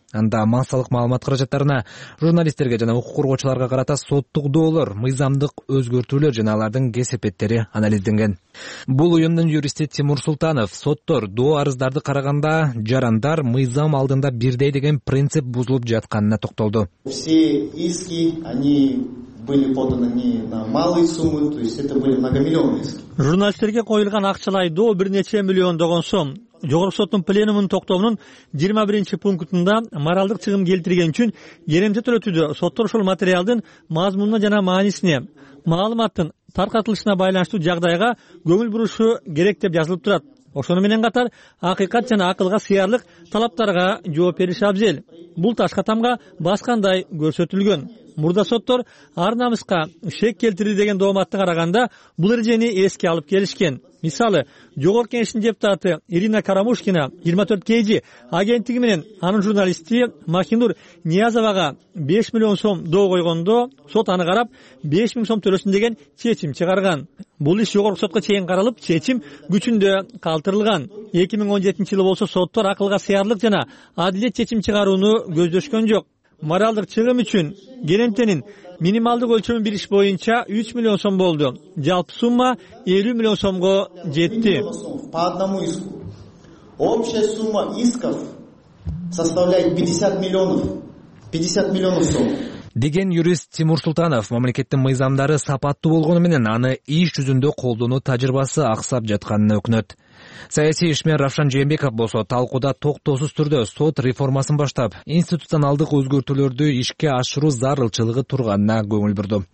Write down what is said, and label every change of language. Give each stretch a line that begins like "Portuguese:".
Kyrgyz: Анда массалык маалымат каражаттарына, журналисттерге жана укук коргоочуларга карата соттук доолор, мыйзамдык өзгөртүүлөр жана алардын кесепеттери анализденген. Бул уюмдун юристи Тимур Султанов соттор доо арыздарды караганда жарандар мыйзам алдында бирдей деген принцип бузулуп жатканына токтолду.
Russian: Все иски, они были поданы не на малые суммы, то есть это были многомиллионные иски.
Kyrgyz: Журналисттерге коюлган акчалай доо бир нече миллиондогон сом. Жогорку соттун пленумунун токтомунун 21-чи пунктунда моралдык чыгым келтирген үчүн жеремче төлөтүүдө соттор ошол материалдын мазмунуна жана маанисине, маалыматтын таркатылышына байланыштуу жагдайга көңүл бурушу керек деп жазылып турат. Ошону менен катар акыйкат жана акылга сыярлык талаптарга жооп бериши абзел. Бул таш катамга баскандай көрсөтүлгөн. Мурда соттор ар намыска шек келтирди деген дооматты караганда бул эрежени эске алып келишкен. Мисалы, Жогорку кеңештин депутаты Ирина Карамушкина 24KG агенттиги менен анын журналисти Махинур Ниязовага 5 миллион сом доо койгондо сот аны карап 5 миллион сом төлөсүн деген чечим чыгарган. Бул иш Жогорку сотко чейин каралып, чечим күчүндө калтырылган. 2017 жылы болсо соттор акылга сыярлык жана адилет чечим чыгарууну көздөшкөн жок. Моралдык чыгым үчүн келемтенин минималдык өлчөмү бир иш боюнча 3 миллион сом болду. Жалпы сумма 50 миллион сомго жетти.
Russian: По одному иску. Общая сумма исков составляет 50 миллионов. 50 миллионов сом.
Kyrgyz: Деген юрист Тимур Султанов мамлекеттин мыйзамдары сапаттуу болгону менен аны иш жүзүндө колдонуу тажрыйбасы аксап жатканын өкүнөт. Саясий ишмен Равшан Жээнбеков болсо талкууда токтоосуз түрдө сот реформасын баштап, институционалдык өзгөртүүлөрдү ишке ашыруу зарылчылыгы турганына көңүл бурду.